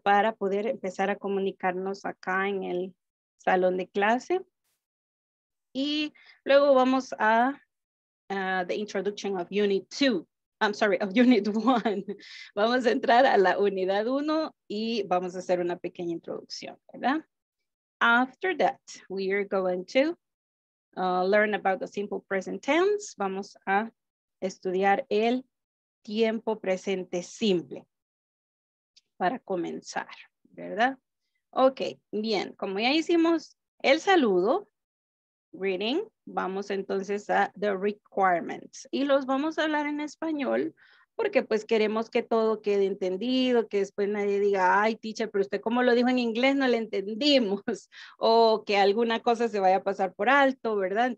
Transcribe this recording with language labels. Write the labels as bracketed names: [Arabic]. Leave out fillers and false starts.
[Spanish] Para poder empezar a comunicarnos acá en el salón de clase. Y luego vamos a [English] the introduction of unit 2. I'm sorry, of unit 1. [Spanish] Vamos a entrar a la unidad 1 y vamos a hacer una pequeña introducción, ¿verdad? [English] After that, we are going to learn about the simple present tense. [Spanish] Vamos a estudiar el tiempo presente simple para comenzar, ¿verdad? Ok, bien, como ya hicimos el saludo, greeting, vamos entonces a the requirements y los vamos a hablar en español porque pues queremos que todo quede entendido, que después nadie diga, ay, teacher, pero usted como lo dijo en inglés, no le entendimos, o que alguna cosa se vaya a pasar por alto, ¿verdad?